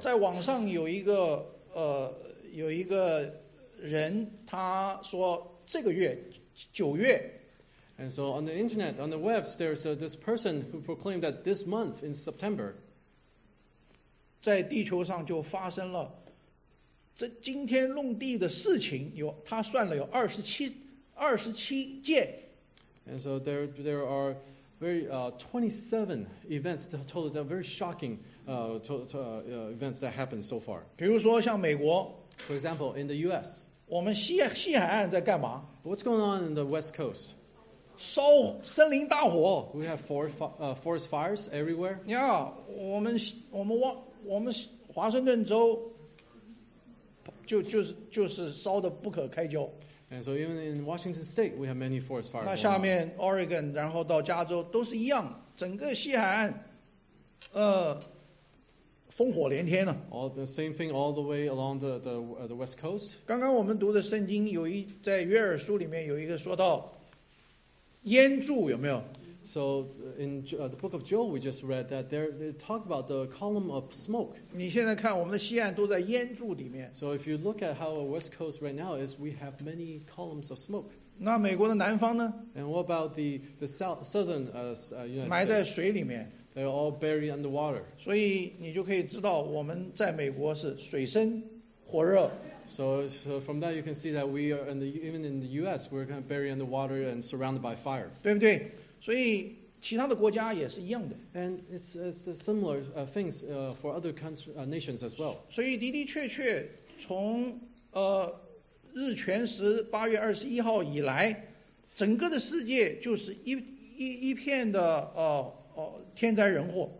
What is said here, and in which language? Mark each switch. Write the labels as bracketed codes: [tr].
[zh] 在网上有一个有一个人，他说这个月九月。 [en] And so on the internet, on the web, there's this person who proclaimed that this month in September, [zh] 在地球上就发生了这惊天动地的事情。有他算了有二十七件。 [en] And so there are very 27 events total that are very shocking events that happened so far. [zh] 比如说像美国。 [en] For example, in the U.S. [zh] 我们西海岸在干嘛 [en] ？What's going on in the West Coast？ [zh] 烧森林大火。 [en] We have forest fires everywhere. [zh] Yeah， 我们华盛顿州就是烧得不可开交。 [en] And so even in Washington State, we have many forest fires. [zh] 那下面 Oregon， 然后到加州都是一样，整个西海岸，烽火连天了。 [en] All the same thing all the way along the West Coast. [zh] 刚刚我们读的圣经有一在约珥书里面有一个说到烟柱有没有 [en] ？So in the book of Joel, we just read that there they talked about the column of smoke. [zh] 你现在看我们的西岸都在烟柱里面。 [en] So if you look at how the West Coast right now is, we have many columns of smoke. [zh] 那美国的南方呢 [en] ？And what about the southern United States? [zh] 埋在水里面。 [en] They're all buried underwater. [zh] 所以你就可以知道我们在美国是水深火热。 [en] So from that you can see that we are in the, even in the US, we're kind of buried underwater and surrounded by fire. [zh] 对不对？所以其他的国家也是一样的。 [en] And it's the similar things for other country, nations as well. [zh] 所以的的确确从日全食8月21号以来，整个的世界就是 一片的天灾人祸。